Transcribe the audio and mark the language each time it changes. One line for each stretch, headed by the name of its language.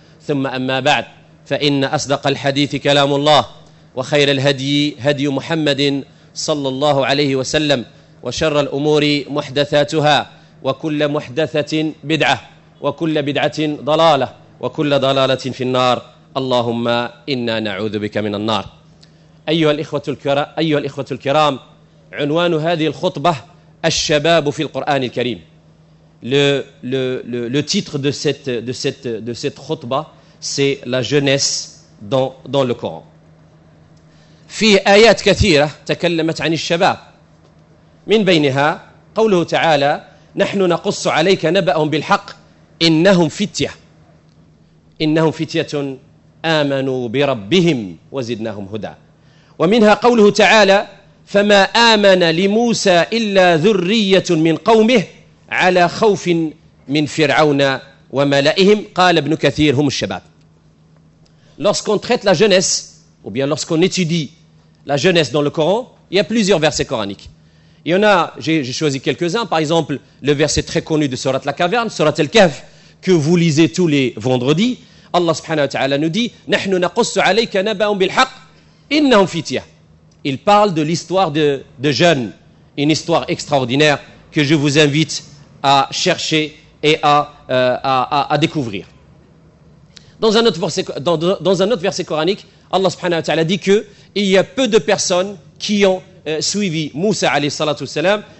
Arabic: ثم أما بعد، فإن أصدق الحديث كلام الله، وخير الهدي هدي محمد صلى الله عليه وسلم، وشر الأمور محدثاتها، وكل محدثة بدعة، وكل بدعة ضلالة، وكل ضلالة في النار، اللهم إنا نعوذ بك من النار. أيها الإخوة الكرام، عنوان هذه الخطبة الشباب في القرآن الكريم.
French: Le titre de cette خطبة c'est la jeunesse dans le Coran.
Arabic: فيه آيات كثيرة تكلمت عن الشباب، من بينها قوله تعالى: نحن نقص عليك نبأهم بالحق إنهم فتية آمنوا بربهم وزدناهم هدى. ومنها قوله تعالى: فما آمن لموسى إلا ذرية من قومه على خوف من فرعون وملئهم. قال ابن كثير: هم الشباب.
French: Lorsqu'on traite la jeunesse, ou bien lorsqu'on étudie la jeunesse dans le Coran, il y a plusieurs versets coraniques. Il y en a, j'ai choisi quelques-uns, par exemple le verset très connu de Sourate la Caverne, Sourate al-Kahf, que vous lisez tous les vendredis. Allah subhanahu wa ta'ala nous dit:
Arabic: نحن نقص عليك نبأهم بالحق إنهم فتية.
French: Il parle de l'histoire de jeunes, une histoire extraordinaire que je vous invite à chercher et à découvrir. Dans un autre verset coranique, Allah subhanahu wa ta'ala dit que il y a peu de personnes qui ont suivi Moussa alayhi salatu wasalam.